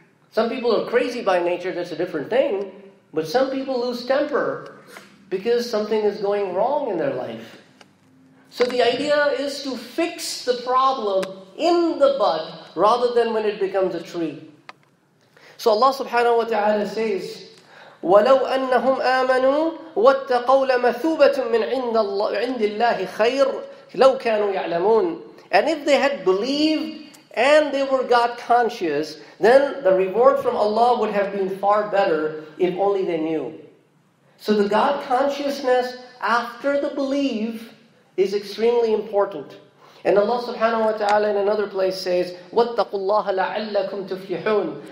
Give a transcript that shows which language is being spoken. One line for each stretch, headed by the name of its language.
English: Some people are crazy by nature, that's a different thing. But some people lose temper because something is going wrong in their life. So the idea is to fix the problem in the bud rather than when it becomes a tree. So Allah subhanahu wa ta'ala says,
Arabic: وَلَوْ أَنَّهُمْ آمَنُوا وَاتَّقَوْ لَمَثُوبَةٌ مِّنْ عِنْدِ اللَّهِ خَيْرٌ لَوْ كَانُوا يَعْلَمُونَ.
English: And if they had believed and they were God conscious, then the reward from Allah would have been far better if only they knew. So the God consciousness after the belief is extremely important. And Allah subhanahu wa ta'ala in another place says,
Arabic: وَاتَّقُوا اللَّهَ لَعَلَّكُمْ تُفْلِحُونَ.